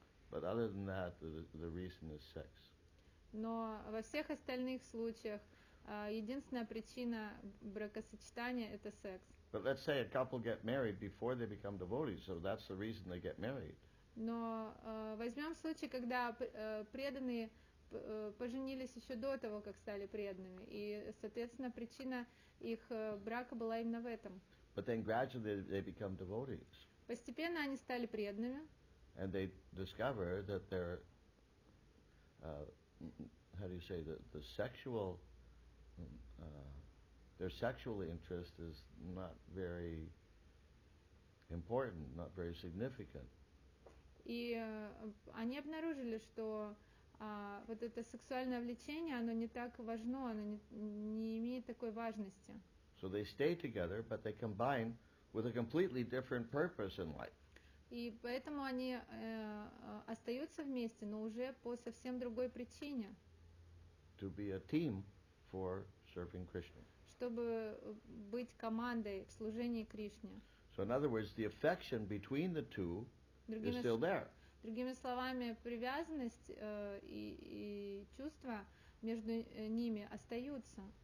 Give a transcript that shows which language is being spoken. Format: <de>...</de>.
<en>But other than that, the reason is sex.</en> <ru>Но во всех остальных случаях Единственная причина бракосочетания – это секс.</ru> <en>But let's say a couple get married before they become devotees, so that's the reason they get married.</en> <ru>Но возьмем случай, когда преданные поженились еще до того, как стали преданными, и, соответственно, причина их брака была именно в этом.</ru> <en>But then gradually they become devotees.</en> <ru>Постепенно они стали преданными.</ru> <en>And they discover that their, how do you say, the sexual, their sexual interest is not very important, not very significant.</en> <ru>И они обнаружили, что вот это сексуальное влечение, оно не так важно, оно не имеет такой важности.</ru> <en>So they stay together, but they combine with a completely different purpose in life.</en> <ru>И поэтому они остаются вместе, но уже по совсем другой причине.</ru> <en>To be a team for serving Krishna.</en> <ru>Чтобы быть командой в служении Кришне.</ru> <en>So in other words, the affection between the two is still there.</en> <ru>Другими словами, привязанность и чувства между ними остаются.</ru>